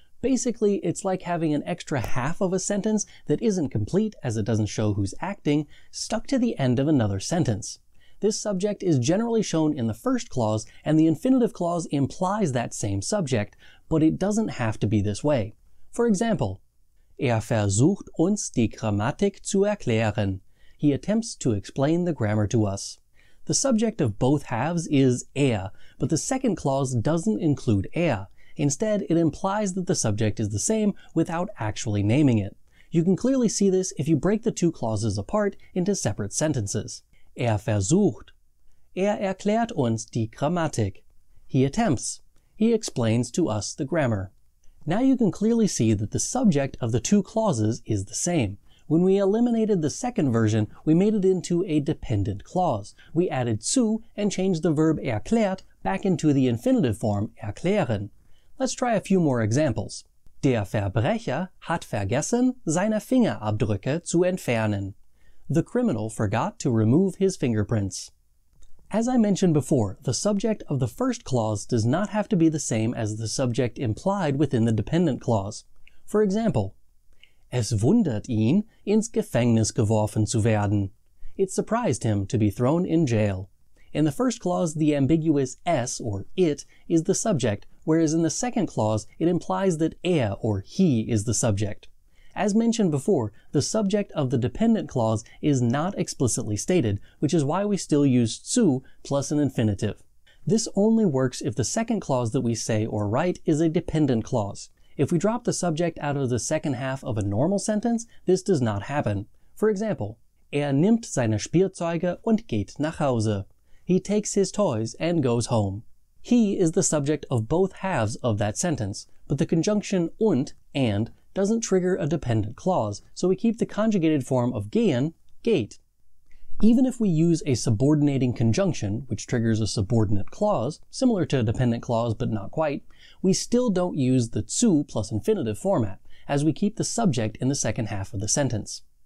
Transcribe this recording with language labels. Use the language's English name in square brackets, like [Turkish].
[English] Basically, it's like having an extra half of a sentence that isn't complete, as it doesn't show who's acting, stuck to the end of another sentence. This subject is generally shown in the first clause, and the infinitive clause implies that same subject, but it doesn't have to be this way. For example, [German] versucht uns die Grammatik zu erklären. [English] He attempts to explain the grammar to us. The subject of both halves is but the second clause doesn't include Instead, it implies that the subject is the same without actually naming it. You can clearly see this if you break the two clauses apart into separate sentences. [German] Versucht. Erklärt uns die Grammatik. [English] He attempts. He explains to us the grammar. Now you can clearly see that the subject of the two clauses is the same. When we eliminated the second version, we made it into a dependent clause. We added zu and changed the verb erklärt back into the infinitive form erklären. Let's try a few more examples. [German] Der Verbrecher hat vergessen, seine Fingerabdrücke zu entfernen. [English] The criminal forgot to remove his fingerprints. As I mentioned before, the subject of the first clause does not have to be the same as the subject implied within the dependent clause. For example, [German] es wundert ihn, ins Gefängnis geworfen zu werden. [English] It surprised him to be thrown in jail. In the first clause, the ambiguous es, or it, is the subject, whereas in the second clause, it implies that or he, is the subject. As mentioned before, the subject of the dependent clause is not explicitly stated, which is why we still use zu plus an infinitive. This only works if the second clause that we say or write is a dependent clause. If we drop the subject out of the second half of a normal sentence, this does not happen. For example, [German] nimmt seine Spielzeuge und geht nach Hause. [English] He takes his toys and goes home. He is the subject of both halves of that sentence, but the conjunction und, and, doesn't trigger a dependent clause, so we keep the conjugated form of gehen, geht. Even if we use a subordinating conjunction, which triggers a subordinate clause, similar to a dependent clause but not quite, we still don't use the zu plus infinitive format, as we keep the subject in the second half of the sentence.